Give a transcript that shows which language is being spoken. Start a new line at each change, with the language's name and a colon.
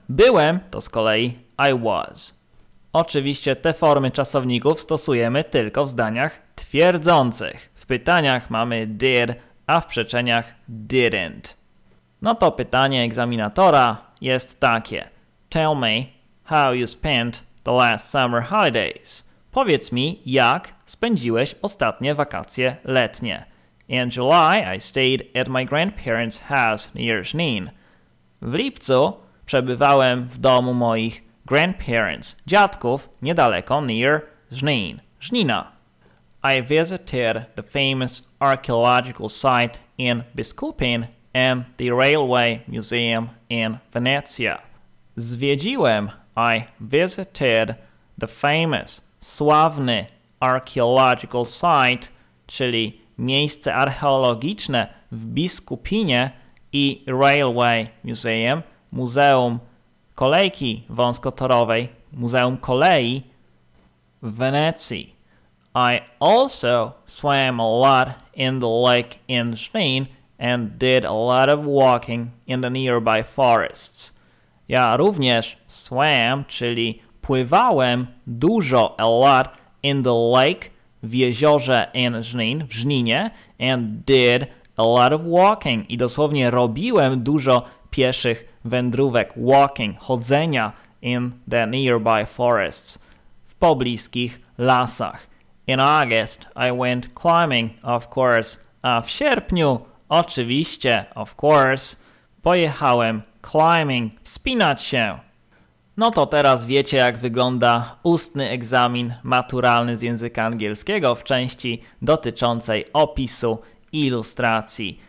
Polish: Byłem to z kolei
English: I was.
Polish: Oczywiście te formy czasowników stosujemy tylko w zdaniach twierdzących. W pytaniach mamy did, a w przeczeniach didn't. No to pytanie egzaminatora jest takie.
English: Tell me how you spent the last summer holidays.
Polish: Powiedz mi, jak spędziłeś ostatnie wakacje letnie.
English: In July I stayed at my grandparents' house near Snin.
Polish: W lipcu przebywałem w domu moich
English: grandparents,
Polish: dziadków, niedaleko
English: near Snin,
Polish: Żnina.
English: I visited the famous archaeological site in Biskupin and the railway museum in Venezia.
Polish: Zwiedziłem,
English: I visited the famous,
Polish: sławny
English: archaeological site,
Polish: czyli miejsce archeologiczne w Biskupinie i Railway Museum, Muzeum Kolejki Wąskotorowej, Muzeum Kolei w Wenecji.
English: I also swam a lot in the lake in Żnin and did a lot of walking in the nearby forests.
Polish: Ja również
English: swam,
Polish: czyli pływałem dużo,
English: a lot, in the lake,
Polish: w jeziorze
English: in Żnin,
Polish: w Żninie,
English: and did a lot of walking.
Polish: I dosłownie robiłem dużo pieszych wędrówek,
English: walking,
Polish: chodzenia,
English: in the nearby forests,
Polish: w pobliskich lasach.
English: In August, I went climbing, of course.
Polish: A w sierpniu, oczywiście,
English: of course,
Polish: pojechałem
English: climbing,
Polish: wspinać się. No to teraz wiecie, jak wygląda ustny egzamin maturalny z języka angielskiego w części dotyczącej opisu ilustracji.